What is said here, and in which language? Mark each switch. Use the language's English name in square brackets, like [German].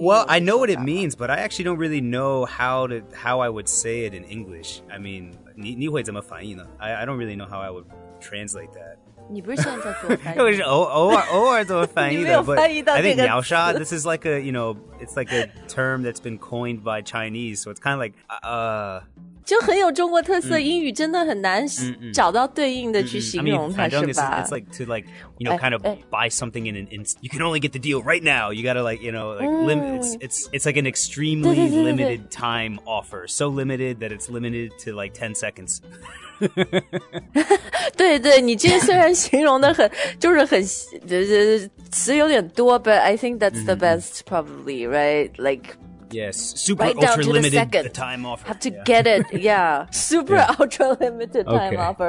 [English] Well, I know what it means, but I actually don't really know how I would say it in English. I mean... [Chinese] 你会怎么翻译呢 [English] I don't really know how I would translate that. [Chinese] 你不是现在在做翻译？我是偶尔怎么翻译的？你没有翻译到这个词。 [English] I think 秒杀 this is like a, you know, it's like a term that's been coined by Chinese, so it's kind of like, [Chinese] 就很有中国特色英语真的很难找到对应的去形容它是吧 [English] I mean, it's like to like, you know, kind of buy something in an instant. You can only get the deal right now. You gotta like, you know, like it's like an extremely limited time offer. So limited that it's limited to like 10 seconds. [Chinese] 对对你这虽然形容的很就是很词有点多 [English] but I think that's the best probably, right? Like, Yes, super right ultra limited second, the time offer. Have to get it, yeah. Super ultra limited time offer.